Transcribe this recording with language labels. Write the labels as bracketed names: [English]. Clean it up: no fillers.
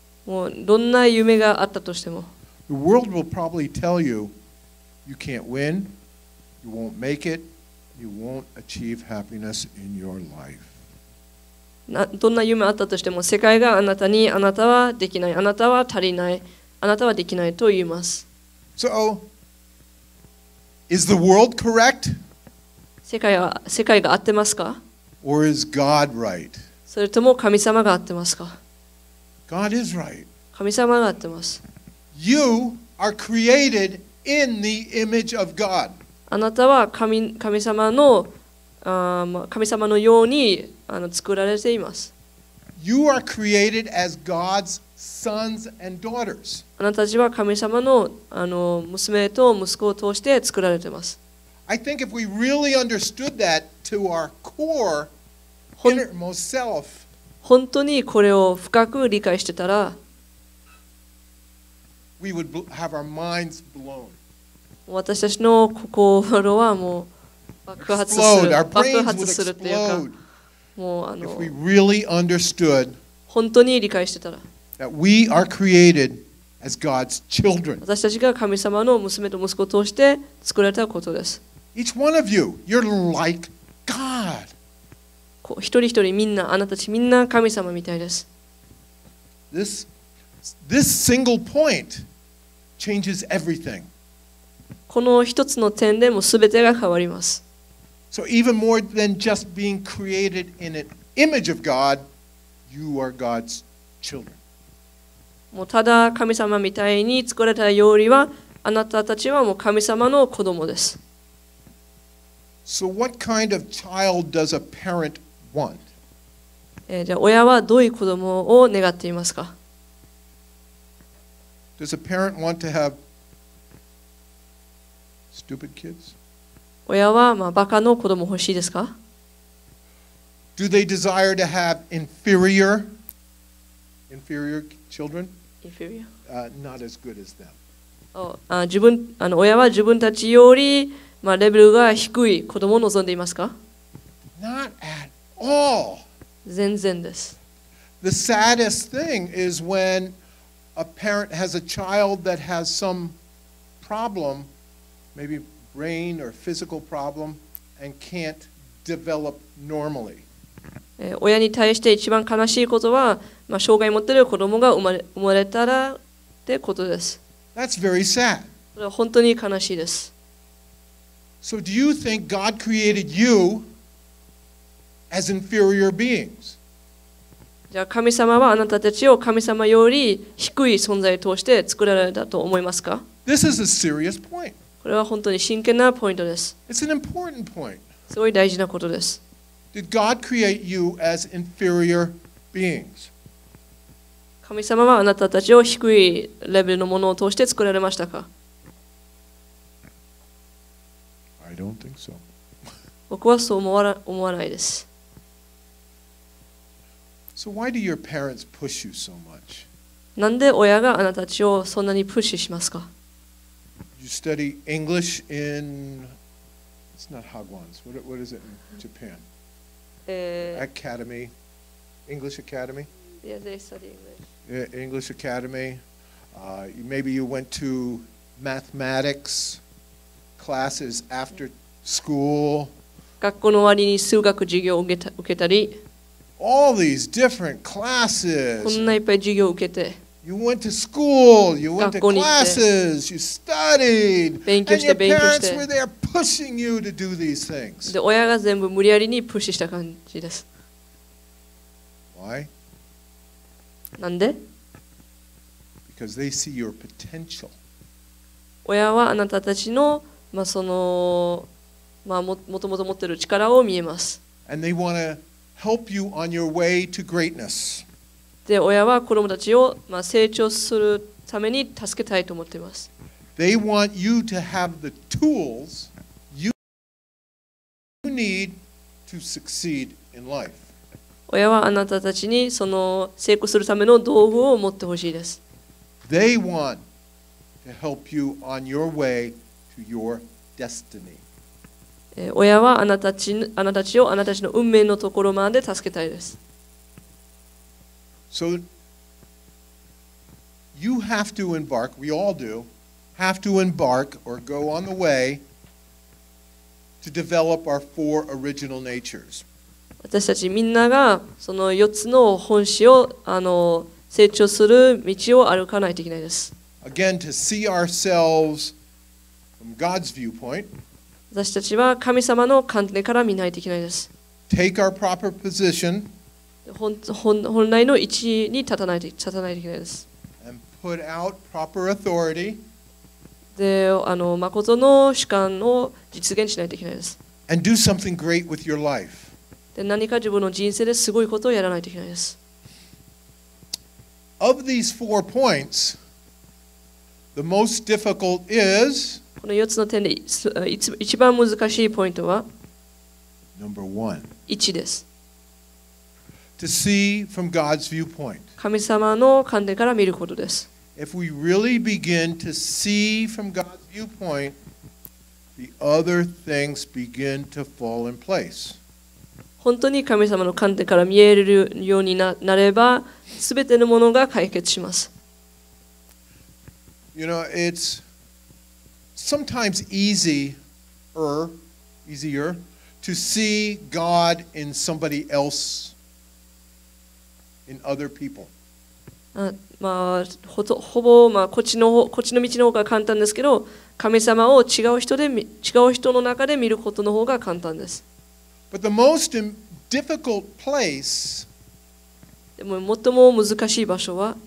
[Japanese] もうどんな夢があったとしても、 [English] the world will probably tell you, you can't win, you won't make it,You won't achieve happiness in your life. [Japanese] どんな夢あったとしても、世界があなたにあなたはできない、あなたは足りない、あなたはできないと言います。 [English] So, is the world correct? [Japanese] 世界が合ってますか? [English] Or is God right? [Japanese] それとも神様が合ってますか? [English] God is right. [Japanese] 神様が合ってます。 [English] You are created in the image of God. [Japanese] あなたは 神様の神様のようにあの作られています。 [English] You are created as God's sons and daughters. [Japanese] あなたたちは神様の あの娘と息子を通して作られています。 [English] I think if we really understood that to our core, innermost self, [Japanese] 本当にこれを深く理解してたら、 [English] we would have our minds blown. [Japanese] 私たちの心はもう爆発するっていうか、もうあの、 [English] if we really understood, [Japanese] 本当に理解してたら、 [English] that we are created as God's children. [Japanese] 私たちが神様の娘と息子を通して作られたことです。 [English] Each one of you, you're like God. [Japanese] 一人一人みんな、あなたたちみんな神様みたいです。 [English] This single point changes everything. [Japanese] この一つの点でも全てが変わります。 [English] So even more than just being created in an image of God, you are God's children. [Japanese] もうただ神様みたいに作られたよりは、あなたたちはもう神様の子供です。 [English] So what kind of child does a parent want? [Japanese] じゃあ親はどういう子供を願っていますか? [English] Does a parent want to have Stupid kids? [Japanese] 親は、まあ、バカの子供欲しいですか? [English] Do they desire to have inferior children? Inferior? Not as good as them. [Japanese] Oh, 親は自分たちより、まあ、レベルが低い子供を望んでいますか? [English] Not at all. [Japanese] 全然です。 [English] The saddest thing is when a parent has a child that has some problem. Maybe brain or physical problem and can't develop normally. [Japanese] 親に対して一番悲しいことは、まあ、障害を持っている子供が生まれたらってことです。 [English] That's very sad. [Japanese] それは本当に悲しいです。 [English] So do you think God created you as inferior beings? [Japanese] じゃあ神様はあなたたちを神様より低い存在として作られたと思いますか? [English] This is a serious point. [Japanese] これは本当に真剣なポイントです。 [English] It's an important point. [Japanese] すごい大事なことです。 [English] Did God create you as inferior beings? [Japanese] 神様はあなたたちを低いレベルのものを通して作られましたか? [English] I don't think so. [Japanese] 僕はそう思わないです。 [English] So why do your parents push you so much? [Japanese] なんで親があなたたちをそんなにプッシュしますか? [English] You study English in, it's not Hagwons, what is it in Japan? Academy, English Academy? Yeah, they study English. Yeah, English Academy. Maybe you went to mathematics classes after school. [Japanese] 学校の終わりに数学授業を受けたり、 [English] All these different classes. [Japanese] こんないっぱい授業を受けて、 [English] You went to school, you went to classes, you studied, [Japanese] 勉強して勉強して、 [English] And your parents were there pushing you to do these things. [Japanese] で、親が全部無理やりにプッシュした感じです。 [English] Why? [Japanese] なんで？ [English] Because they see your potential. [Japanese] 親はあなたたちの、まあ、その、まあ、もともと持ってる力を見えます。 [English] And they want to help you on your way to greatness. [Japanese] で、親は子供たちを、まあ、成長するために助けたいと思っています。 [English] They want you to have the tools you need to succeed in life. [Japanese] 親はあなたたちにその成功するための道具を持ってほしいです。 [English] They want to help you on your way to your destiny. [Japanese] 親はあなたたちをあなたたちの運命のところまで助けたいです。 [English] So you have to embark, we all do, have to embark or go on the way to develop our four original natures. [Japanese] 私たちみんながその4つの本質を成長する道を歩かないといけないです。 [English] Again, to see ourselves from God's viewpoint. [Japanese] 私たちは神様の観点から見ないといけないです。 [English] Take our proper position. [Japanese] 本来の位置に立たないといけないです。 [English] And put out proper authority. [Japanese] で、誠の主観を実現しないといけないです。 [English] And do something great with your life. [Japanese] で、何か自分の人生ですごいことをやらないといけないです。 [English] Of these four points, the most difficult is. [Japanese] この4つの点で一番難しいポイントは。 [English] Number one. [Japanese] 1です。 [English] To see from God's viewpoint. [Japanese] 神様の観点から見ることです。 [English] If we really begin to see from God's viewpoint, the other things begin to fall in place. [Japanese] 本当に神様の観点から見えるようになれば、すべてのものが解決します。 [English] You know, it's sometimes easier to see God in somebody else, in other people. [Japanese] まあ、ほぼ、まあ、こっちの道の方が簡単ですけど、神様を違う人の中で見ることの方が簡単です。 [English] But the most difficult place [Japanese] でも最も難しい場所は